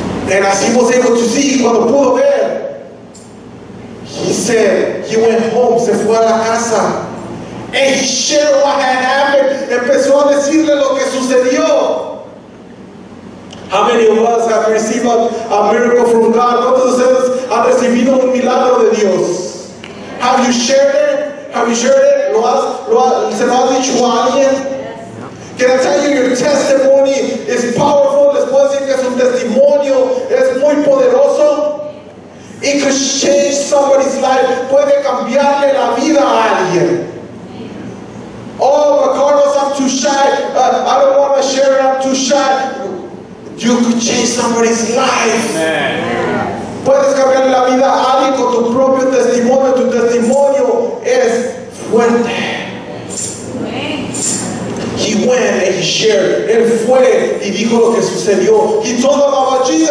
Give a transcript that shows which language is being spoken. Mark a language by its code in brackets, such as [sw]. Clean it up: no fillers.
[en] And as he was able to see, [es] cuando pudo ver, [en] he said, he went home, [es] se fue a la casa. [en] And he shared what had happened, [es] empezó a decirle lo que sucedió. [en] How many of us have received a miracle from God? [es] ¿Cuántos de ustedes han recibido un milagro de Dios? [en] Have you shared it? Have you shared it? [es] ¿Se lo has dicho a alguien? [en] Can I tell you, your testimony is powerful. [es] Les puedo decir que su testimonio es muy poderoso. [en] It could change somebody's life. [es] Puede cambiarle la vida a alguien. [en] Oh, but Carlos, I'm too shy. I don't want to share it. I'm too shy. You could change somebody's life. Amen. [es] Puedes cambiarle la vida a alguien con tu propio testimonio. Tu testimonio es fuerte. [en] He went and he shared. [es] Él fue y dijo lo que sucedió. [en] He told them about Jesus.